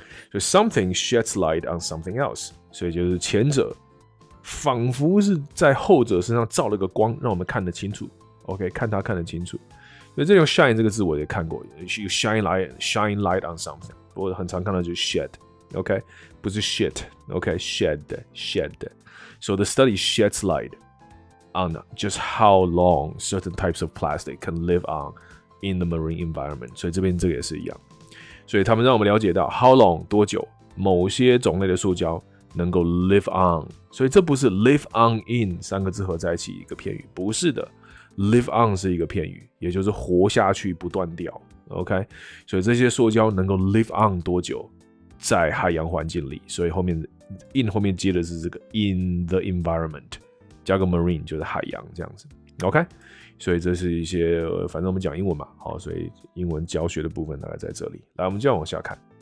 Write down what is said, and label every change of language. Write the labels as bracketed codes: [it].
[zh] 所以 [en] something sheds light on something else， [zh] 所以就是前者仿佛是在后者身上照了个光，让我们看得清楚。 OK， 看他看得清楚，所以这用 shine 这个字我也看过 ， [en] you shine light on something， [zh] 我很常看到就是 shed，OK，、okay? 不是 shit，OK，、okay? shed， [en] so the study sheds light on just how long certain types of plastic can live on in the marine environment， [zh] 所以这边这个也是一样，所以他们让我们了解到 how long 多久某些种类的塑胶能够 live on， 所以这不是 live on in 三个字合在一起一个片语，不是的。 Live on 是一个片语，也就是活下去不断掉。 OK， 所以这些塑胶能够 live on 多久，在海洋环境里。所以后面 in 后面接的是这个 [en] in the environment， [zh] 加个 marine 就是海洋这样子。 OK， 所以这是一些、反正我们讲英文嘛，好，所以英文教学的部分大概在这里。来，我们就往下看。